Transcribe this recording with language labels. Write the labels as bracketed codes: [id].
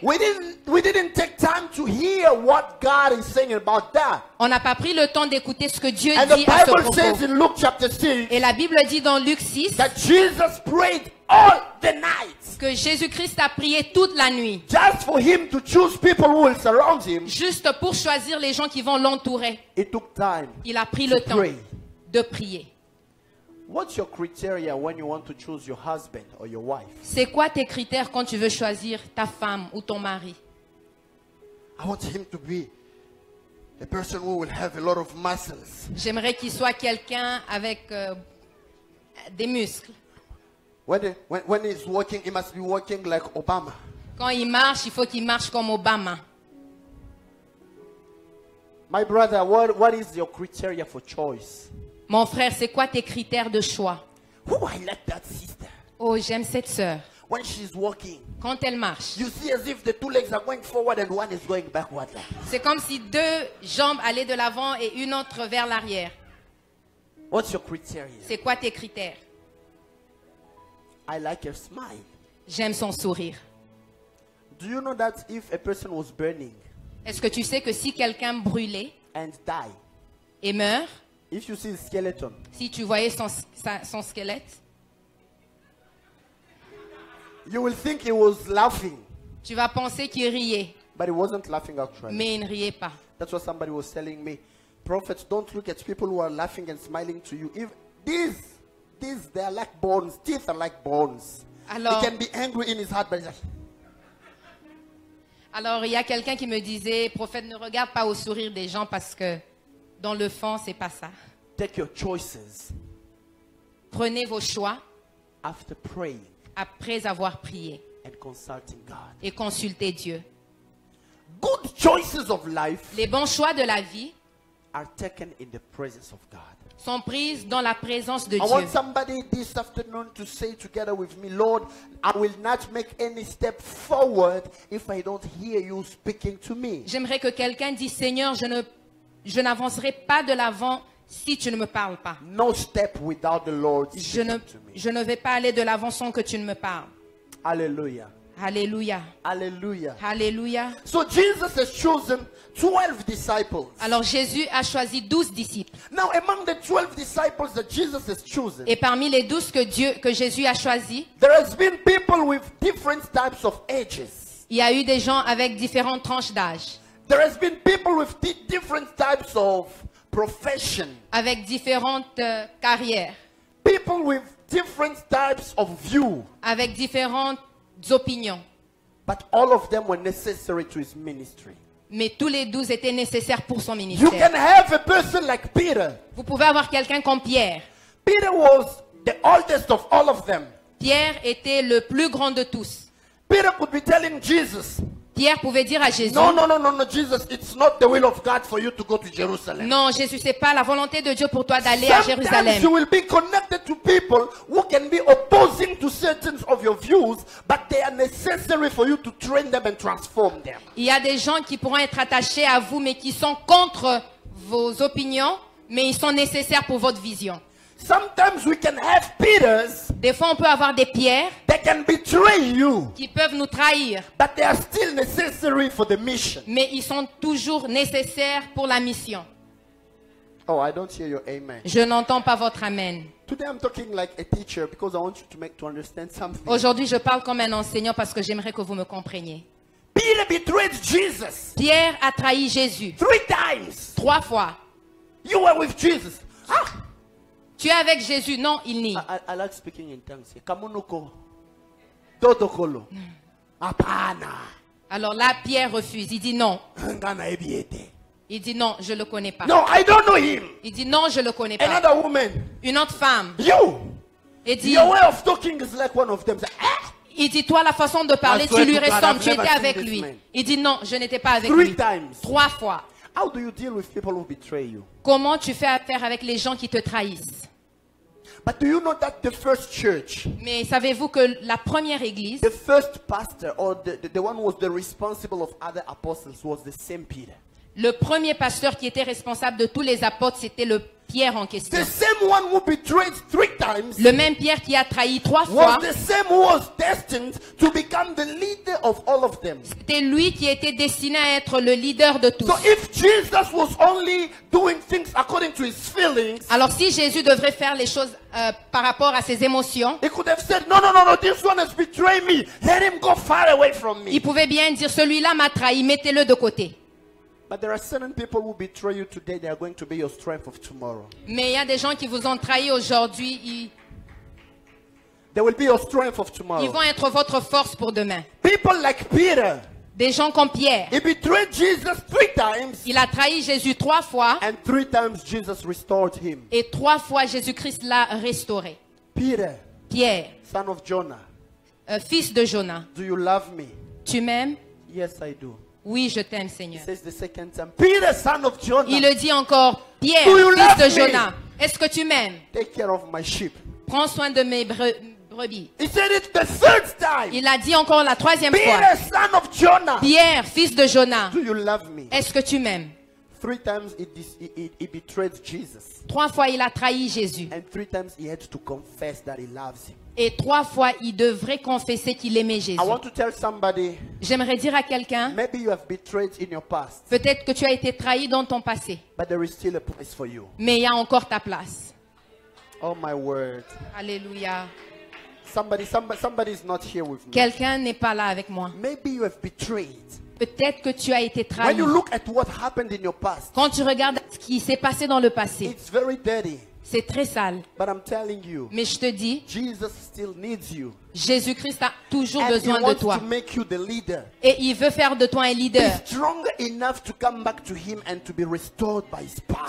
[en] we didn't take time to hear what God is saying about that. [fr] On n'a pas pris le temps d'écouter ce que Dieu [en] and [fr] dit [en] the Bible [fr] à ce propos. [en] Says in Luke chapter 6, [fr] et la Bible dit dans Luc 6 [en] that Jesus prayed all the night. [fr] Que Jésus-Christ a prié toute la nuit. [en] Just for him to choose people who will surround him. [fr] Juste pour choisir les gens qui vont l'entourer. [en] It took time. [fr] Il a pris le temps de prier. [en] What's your criteria when you want to choose your husband or your wife? [fr] C'est quoi tes critères quand tu veux choisir ta femme ou ton mari? [en] I want him to be a person who will have a lot of muscles. [fr] J'aimerais qu'il soit quelqu'un avec des muscles. [en] When he's walking, he must be walking like Obama. [fr] Quand il marche, il faut qu'il marche comme Obama. [en] My brother, what is your criteria for choice? [fr] Mon frère, c'est quoi tes critères de choix? [en] Ooh, I like that sister. [fr] Oh, j'aime cette sœur. [en] When she's walking, [fr] quand elle marche. [en] You see as if the two legs are going forward and one is going backward. [fr] C'est comme si deux jambes allaient de l'avant et une autre vers l'arrière. [en] What's your criteria? [fr] C'est quoi tes critères? [en] I like her smile. [fr] J'aime son sourire. [en] Do you know that if a person was burning? [fr] Est-ce que tu sais que si quelqu'un brûlait [en] and die, [fr] et meurt? [en] If you see a skeleton, [fr] si tu voyais son squelette, [en] you will think he was laughing. [fr] Tu vas penser qu'il riait. [en] But he wasn't laughing actually. [fr] Mais il ne riait pas. [en] That's what somebody was telling me. Prophets, don't look at people who are laughing and smiling to you. If these they are like bones. Teeth are like bones. [fr] Alors, [en] he can be angry in his heart, but he's like. [fr] Alors, il y a quelqu'un qui me disait, prophète, ne regarde pas au sourire des gens parce que. Dans le fond, c'est pas ça. [en] Take your choices. [fr] Prenez vos choix. [en] After praying. [fr] Après avoir prié. [en] And consulting God. [fr] Et consulter Dieu. [en] Good choices of life. [fr] Les bons choix de la vie. [en] Are taken in the presence of God. [fr] Sont prises dans la présence de [en] I [fr] Dieu. [en] I want somebody this afternoon to say together with me, Lord, I will not make any step forward if I don't hear you speaking to me. [fr] J'aimerais que quelqu'un dise, Seigneur, je n'avancerai pas de l'avant si tu ne me parles pas. [en] No step without the Lord speaking to me. [fr] Je ne vais pas aller de l'avant sans que tu ne me parles. Alléluia. Alléluia. Alléluia. Alléluia. [en] So Jesus has chosen 12 disciples. [fr] Alors Jésus a choisi 12 disciples. [en] Now among the 12 disciples that Jesus has chosen. [fr] Et parmi les 12 que Jésus a choisi. [en] There has been people with different types of ages. [fr] Il y a eu des gens avec différentes tranches d'âge. [en] There has been people with different types of profession. [fr] Avec différentes carrières. [en] People with different types of view. [fr] Avec différentes opinions. [en] But all of them were necessary to his ministry. [fr] Mais tous les 12 étaient nécessaires pour son ministère. [en] You can have a person like Peter. [fr] Vous pouvez avoir quelqu'un comme Pierre. [en] Peter was the oldest of all of them. [fr] Pierre était le plus grand de tous. [en] Peter could be telling Jesus. [fr] Pierre pouvait dire à Jésus. [en] No, Jesus, it's not the will of God for you to go to Jerusalem. [fr] Non, Jésus, c'est pas la volonté de Dieu pour toi d'aller [en] sometimes [fr] à Jérusalem. [en] You will be connected to people who can be opposing to certain of your views, but they are necessary for you to train them and transform them. [fr] Il y a des gens qui pourront être attachés à vous mais qui sont contre vos opinions, mais ils sont nécessaires pour votre vision. [en] Sometimes we can have Peters. [fr] Des fois, on peut avoir des pierres. [en] They can betray you. [fr] Qui peuvent nous trahir. [en] But they are still necessary for the mission. [fr] Mais ils sont toujours nécessaires pour la mission. [en] Oh, I don't hear your amen. [fr] Je n'entends pas votre amen. [en] Today I'm talking like a teacher because I want you to understand something. [fr] Aujourd'hui, je parle comme un enseignant parce que j'aimerais que vous me compreniez. [en] Peter betrayed Jesus. [fr] Pierre a trahi Jésus. [en] Three times. [fr] Trois fois. [en] You were with Jesus. Ah! [fr] Tu es avec Jésus. Non, il nie. [en] I like speaking in tongues. Kamunuko. Totokolo. Apana. [fr] Alors là, Pierre refuse. Il dit non. Ngana ebiete. Il dit non, je ne le connais pas. [en] No, I don't know him. [fr] Il dit non, je ne le connais [en] Another [fr] pas. [en] Another woman. [fr] Une autre femme. [en] You. [fr] Et dit, [en] your way of talking is like one of them. [fr] Il dit, toi, la façon de parler, tu lui ressembles. Tu étais avec lui. Man. Il dit non, je n'étais pas avec [en] Three [fr] lui. [en] Three times. [fr] Trois fois. [en] How do you deal with people who betray you? [fr] Comment tu fais affaire avec les gens qui te trahissent? [en] But do you know that the first church, [fr] mais savez-vous que la première église, [en] the first pastor or the one who was the responsible of other apostles was the same Peter. [fr] Le premier pasteur qui était responsable de tous les apôtres, c'était le Pierre en question. [en] The same one who betrayed three times, [fr] le même Pierre qui a trahi trois fois, [en] the same who was destined to become the leader of all of them. [fr] C'était lui qui était destiné à être le leader de tous. [en] So if Jesus was only doing things according to his feelings, [fr] alors si Jésus devrait faire les choses par rapport à ses émotions, [en] he could have said, no, this one has betrayed me. Let him go far away from me. [fr] Il pouvait bien dire, celui-là m'a trahi, mettez-le de côté. [en] But there are certain people who betray you today, they are going to be your strength of tomorrow. [fr] Mais il y a des gens qui vous ont trahi aujourd'hui, [en] they will be your strength of tomorrow. [fr] Ils vont être votre force pour demain. [en] People like Peter. [fr] Des gens comme Pierre. [en] He betrayed Jesus three times. [fr] Il a trahi Jésus trois fois. [en] And three times Jesus restored him. [fr] Et trois fois Jésus-Christ l'a restauré. [en] Peter. [fr] Pierre. [en] Son of Jonah. [fr] Fils de Jonah. [en] Do you love me? [fr] Tu m'aimes? [en] Yes, I do. [fr] Oui, je t'aime, Seigneur. [en] He says the second time, Peter, son of Jonah. [fr] Il le dit encore, Pierre, fils de Jonah. Est-ce que tu m'aimes? [en] Take care of my sheep. [fr] Prends soin de mes brebis. [en] He said it the third time. [fr] Il a dit encore la troisième [en] Peter, [fr] fois. [en] Peter, son of Jonah. [fr] Pierre, fils de Jonah. [en] Do you love me? [fr] Est-ce que tu m'aimes? [en] Three times he betrayed Jesus. [fr] Trois fois il a trahi Jésus. [en] And three times he had to confess that he loves him. [fr] Et trois fois, il devrait confesser qu'il aimait Jésus. [en] I want to tell somebody, [fr] j'aimerais dire à quelqu'un, [en] maybe you have betrayed in your past, [fr] peut-être que tu as été trahi dans ton passé, [en] but there is still a place for you. [fr] Mais il y a encore ta place. [en] Oh my word. [fr] Alléluia. [en] Somebody is not here with me. [fr] Quelqu'un n'est pas là avec moi. [en] Maybe you have betrayed. [fr] Peut-être que tu as été trahi. [en] When you look at what happened in your past, [fr] quand tu regardes ce qui s'est passé dans le passé, [en] it's very dirty. [fr] C'est très sale. [en] But I'm telling you, [fr] mais je te dis, [en] Jesus still needs you. [fr] Jésus-Christ a toujours [en] and [fr] besoin de toi. [en] To make you the leader. [fr] Et il veut faire de toi un leader. [en] Be strong enough to come back to him and to be restored by his power.